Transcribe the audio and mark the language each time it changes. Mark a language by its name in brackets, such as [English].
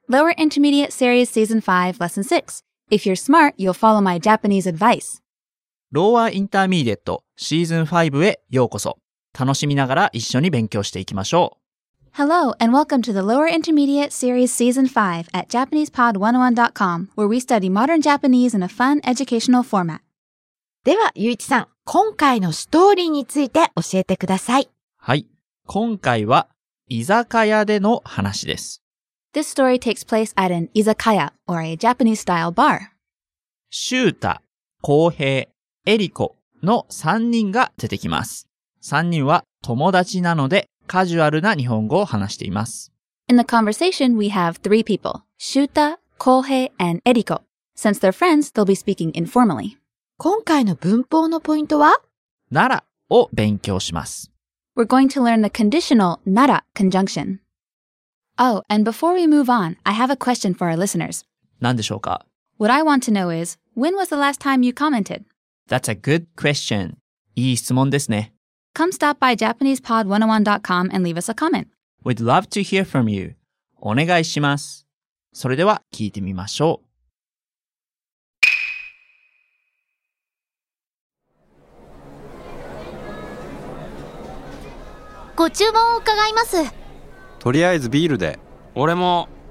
[English] Lower Intermediate Series Season 5 Lesson 6. If you're smart, you'll follow my Japanese advice. [Japanese] Lower Intermediate Season 5 へようこそ。楽しみながら一緒に勉強していきましょう。 [English] Hello and welcome to the Lower Intermediate Series Season 5 at JapanesePod101.com, where we study modern Japanese in a fun educational format. [Japanese] ではゆういちさん、今回のストーリーについて教えてください。はい、今回は居酒屋での話です。 [English] This story takes place at an izakaya or a Japanese style bar. [Japanese] シュータ、コウヘイ、エリコの3人が出てきます。 3人は友達なのでカジュアルな日本語を話しています。 [English] In the conversation, we have three people. シュータ、コウヘイ、and エリコ. Since they're friends, they'll be speaking informally. [Japanese] 今回の文法のポイントは? ならを勉強します。 [English] We're going to learn the conditional nara conjunction. Oh, and before we move on, I have a question for our listeners. [Japanese] 何でしょうか? [English] What I want to know is, when was the last time you commented? That's a good question. [Japanese] いい質問ですね。 [English] Come stop by JapanesePod101.com and leave us a comment. We'd love to hear from you. [Japanese] お願いします。それでは聞いてみましょう。ご注文を伺います。とりあえずビールで。俺も。